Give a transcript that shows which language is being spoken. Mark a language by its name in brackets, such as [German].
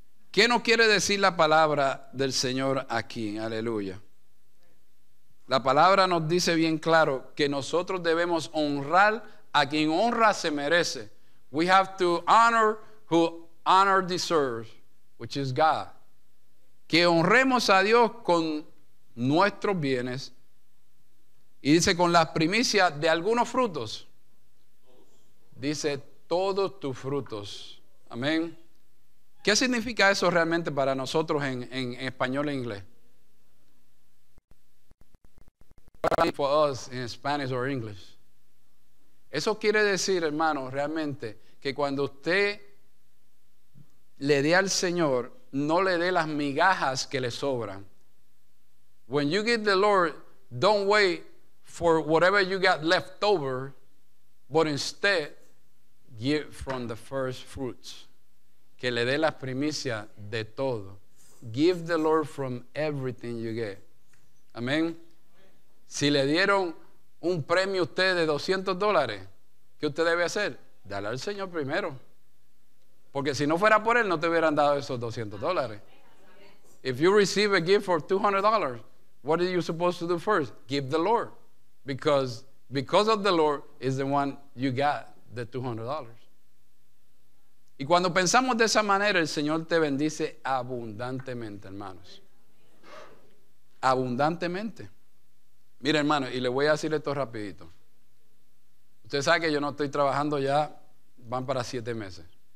[Spanish] ¿Qué nos quiere decir la palabra del Señor aquí? Aleluya. La palabra nos dice bien claro que nosotros debemos honrar a quien honra se merece. [English] We have to honor who honor deserves, which is God. [Spanish] Que honremos a Dios con nuestros bienes. Y dice con las primicias de algunos frutos. Dice todos tus frutos. Amén. ¿Qué significa eso realmente para nosotros en español e inglés? [English] For us in Spanish or English. [Spanish] Eso quiere decir, hermano, realmente, que cuando usted le dé al Señor, no le dé las migajas que le sobran. [English] When you give the Lord, don't wait for whatever you got left over, but instead, give from the first fruits. [Spanish] Que le dé las primicias de todo. [English] Give the Lord from everything you get. [Spanish] Amén. Si le dieron un premio a usted de $200, ¿qué usted debe hacer? Dale al Señor primero. Porque si no fuera por él, no te hubieran dado esos $200. [English] If you receive a gift for $200, what are you supposed to do first? Give the Lord. Because of the Lord is the one you got the $200. [Spanish] Y cuando pensamos de esa manera, el Señor te bendice abundantemente, hermanos. Abundantemente. Mira, hermano, y le voy a decir esto rapidito. Usted sabe que yo no estoy trabajando ya, van para 7 meses.